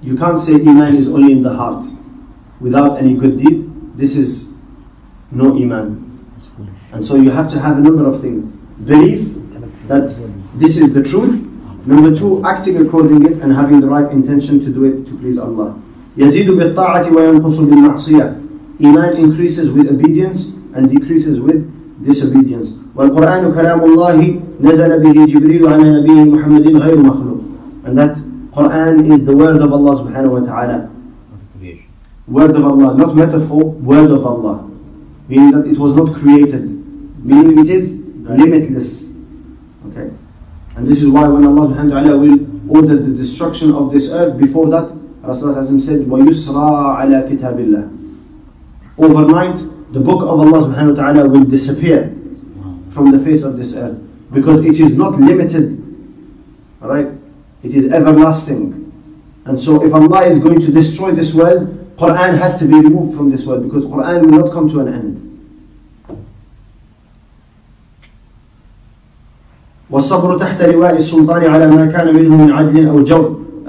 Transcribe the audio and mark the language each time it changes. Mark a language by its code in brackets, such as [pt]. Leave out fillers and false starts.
[en] You can't say iman is only in the heart without any good deed. This is no iman. And so you have to have a number of things. Belief that this is the truth. Number two, acting according it and having the right intention to do it to please Allah. [ar] يزيد بالطاعة وينقص بالمعصية. [en] Iman increases with obedience and decreases with disobedience. [ar] والقرآن كلام الله نزل به جبريل على نبيه محمد غير مخلوق. [en] And that Quran is the word of Allah subhanahu wa ta'ala. Word of Allah, not metaphor, word of Allah. Meaning that it was not created. Meaning it is limitless. Okay. And this is why when Allah subhanahu wa ta'ala will order the destruction of this earth, before that, Rasulullah said, [ar] وَيُسْرَى عَلَىٰ كِتَابِ اللَّهِ. [en] Overnight, the book of Allah subhanahu wa ta'ala will disappear from the face of this earth. Because it is not limited. Alright? It is everlasting. And so if Allah is going to destroy this world, Quran has to be removed from this world, because Quran will not come to an end. [ar] والصبر تحت لواء السلطان على ما كان منه من عدل أو جور.